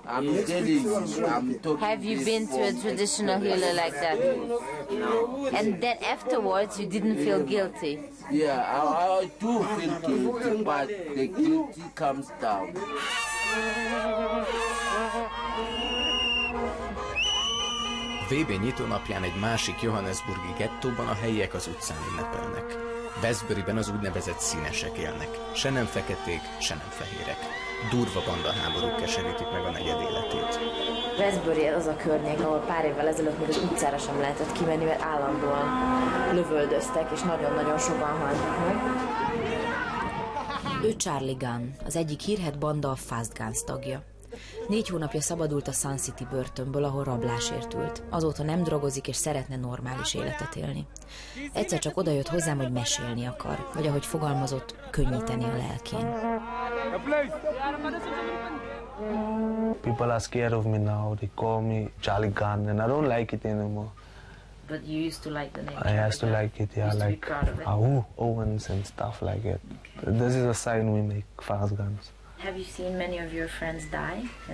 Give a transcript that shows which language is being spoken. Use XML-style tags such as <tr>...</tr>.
<en>I'm telling you, I'm talking. Have you been to a traditional healer like that? No. And then afterwards you didn't feel guilty? Yeah, I do feel guilty, but the guilty comes down.</en> <hu>VB nyitónapján egy másik johannesburgi gettóban a helyiek az utcán ünnepelnek. Westbury-ben az úgynevezett színesek élnek, se nem feketék, se nem fehérek. Durva bandaháborúk keserítik meg a negyed életét. Westbury az a környék, ahol pár évvel ezelőtt még az utcára sem lehetett kimenni, mert állandóan lövöldöztek, és nagyon-nagyon sokan haltak meg. Ő Charlie Gunn, az egyik hírhet banda a Fast Guns tagja. 4 hónapja szabadult a Sun City börtönből, ahol rablásért ült. Azóta nem drogozik, és szeretne normális életet élni. Egyszer csak odajött hozzám, hogy mesélni akar, vagy ahogy fogalmazott, könnyíteni a lelkén.</hu> <en>People are scared of me now. They call me Charlie Gunn, and I don't like it anymore. But you used to like the name. I used to like it, yeah, like Owens and stuff like it. Okay. This is a sign we make, Fast Guns. Have you seen many of your friends die?</en>